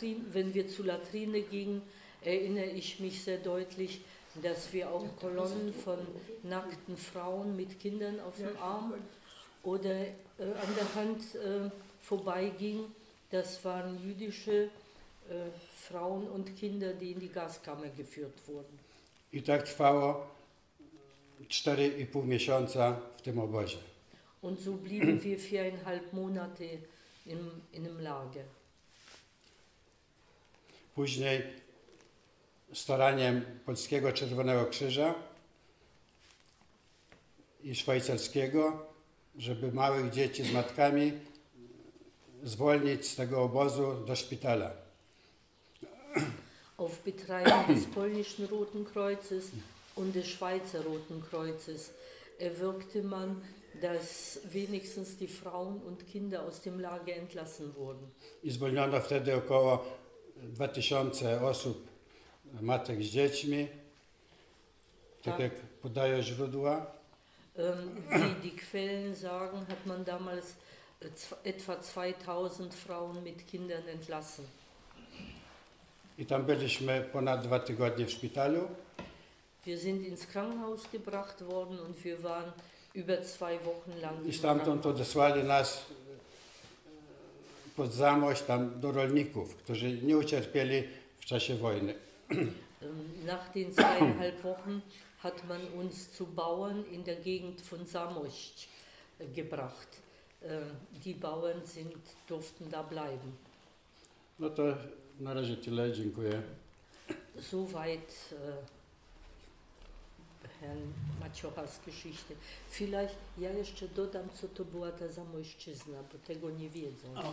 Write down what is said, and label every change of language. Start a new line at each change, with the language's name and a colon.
German: Wenn wir zu Latrine gingen, erinnere ich mich sehr deutlich, dass wir auch Kolonnen von nackten Frauen mit Kindern auf dem Arm oder an der Hand vorbeigingen. Das waren jüdische Frauen und Kinder, die in die Gaskammer geführt wurden.
Polish: I tak trwało 4,5 miesiąca w tym obozie.
German: Und so blieben wir 4,5 Monate in dem Lager.
Polish: Później staraniem Polskiego Czerwonego Krzyża i szwajcarskiego, żeby małych dzieci z matkami zwolnić z tego obozu do szpitala.
German: Auf Betreiben des polnischen Roten Kreuzes und des Schweizer Roten Kreuzes erwirkte man, dass wenigstens die Frauen und Kinder aus dem Lager entlassen wurden.
Polish: I zwolniono wtedy około 2000 osób, matek z dziećmi, tak jak podają źródła.
German: Wie die Quellen sagen, hat man damals etwa 2000 Frauen mit Kindern entlassen.
Polish: I tam byliśmy ponad 2 tygodnie w szpitalu.
German: Wir sind ins Krankenhaus gebracht worden und wir waren über 2 Wochen lang.
Polish: I stamtąd odesłali nas pod Zamość, tam do rolników, którzy nie ucierpieli w czasie wojny.
German: Nach den 2,5 Wochen hat man uns zu Bauern in der Gegend von Zamość gebracht. Die Bauern sind, durften da bleiben.
Polish: No to na razie tyle, dziękuję.
German: Soweit Herrn Maciochas Geschichte. Vielleicht,
Polish: ja jeszcze dodam, co to była ta Zamojszczyzna, bo tego nie wiedzą.